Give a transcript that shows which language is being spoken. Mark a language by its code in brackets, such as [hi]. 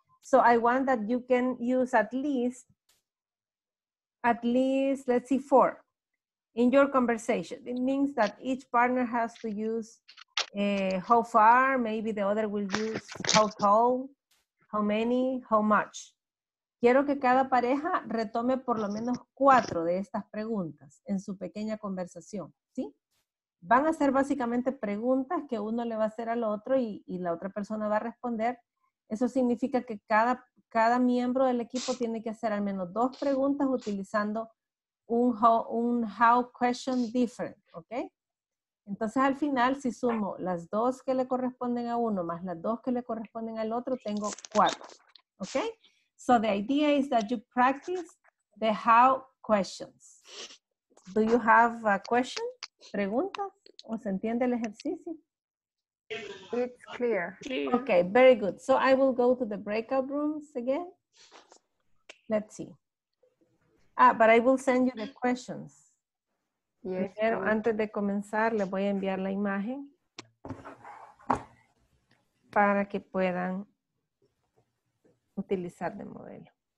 [en] So I want that you can use at least, let's see, 4 in your conversation. It means that each partner has to use how far, maybe the other will use how tall, how many, how much. [es] Quiero que cada pareja retome por lo menos 4 de estas preguntas en su pequeña conversación. ¿Sí? Van a ser básicamente preguntas que uno le va a hacer al otro y la otra persona va a responder. Eso significa que cada miembro del equipo tiene que hacer al menos 2 preguntas utilizando un [en] how question different. [es] ¿Okay? Entonces al final, si sumo las 2 que le corresponden a uno más las 2 que le corresponden al otro, tengo 4. ¿Okay? [en] So the idea is that you practice the how questions. Do you have a question? [es] ¿Pregunta? ¿O se entiende el ejercicio? [en] It's clear. Okay, very good. So I will go to the breakout rooms again. Let's see. Ah, but I will send you the questions. Yes. [es] Pero antes de comenzar, le voy a enviar la imagen para que puedan utilizar de modelo.